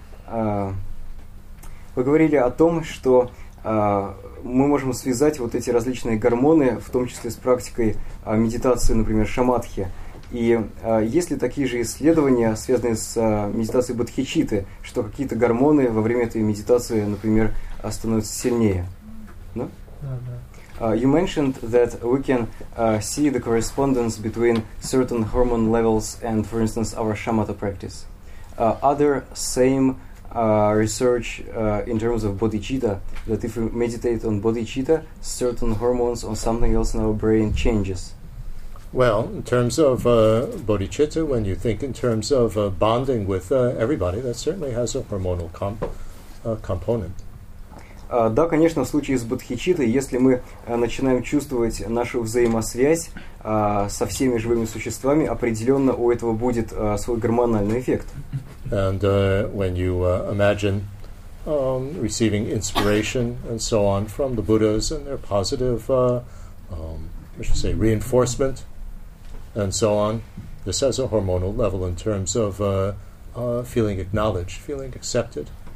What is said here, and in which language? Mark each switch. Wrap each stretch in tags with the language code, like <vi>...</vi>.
<ru>Вы говорили о том, что мы можем связать вот эти различные гормоны, в том числе с практикой медитации, например, шамадхи. И есть ли такие же исследования, связанные с медитацией бодхичитты, что какие-то гормоны во время этой медитации, например, становятся сильнее?</ru> <en>No? You mentioned that we can see the correspondence between certain hormone levels and, for instance, our shamatha practice. Other same research in terms of bodhicitta, that if we meditate on bodhicitta, certain hormones or something else in our brain changes. Well, in terms of bodhicitta, when you think in terms of bonding with everybody, that certainly has a hormonal component.</en> <ru>Да, конечно, в случае с бодхичиттой, если мы начинаем чувствовать нашу взаимосвязь со всеми живыми существами, определенно у этого будет свой гормональный эффект.</ru> <en>And when you imagine receiving inspiration and so on from the Buddhas and their positive, I should say, reinforcement and so on, this has a hormonal level in terms of feeling acknowledged, feeling accepted.</en>